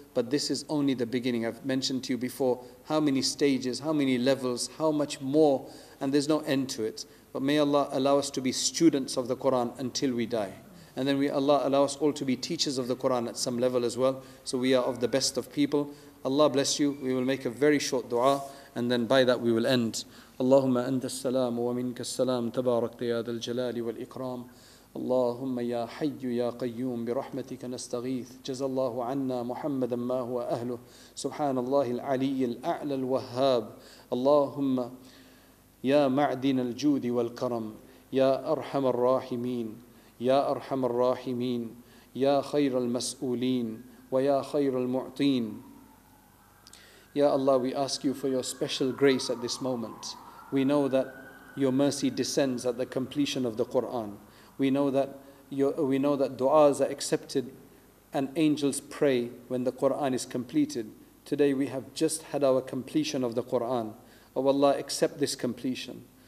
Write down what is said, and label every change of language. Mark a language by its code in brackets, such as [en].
[en] But this is only the beginning. I've mentioned to you before how many stages, how many levels, how much more, and there's no end to it. But may Allah allow us to be students of the Quran until we die. And then may Allah allow us all to be teachers of the Quran at some level as well, so we are of the best of people. Allah bless you. We will make a very short dua, and then by that we will end. [ar] اللهم أنت السلام ومنك السلام تبارك يا ذا الجلال والإكرام اللهم يا حي يا قيوم برحمتك نستغيث جزى الله عنا محمدا ما هو أهله سبحان الله العلي الأعلى الوهاب اللهم يا معدن الجود والكرم يا أرحم الراحمين يا أرحم الراحمين يا خير المسؤولين ويا خير المعطين. [en] Ya Allah, we ask you for your special grace at this moment. We know that your mercy descends at the completion of the Quran. We know that du'as are accepted and angels pray when the Quran is completed. Today we have just had our completion of the Quran. Oh Allah, accept this completion.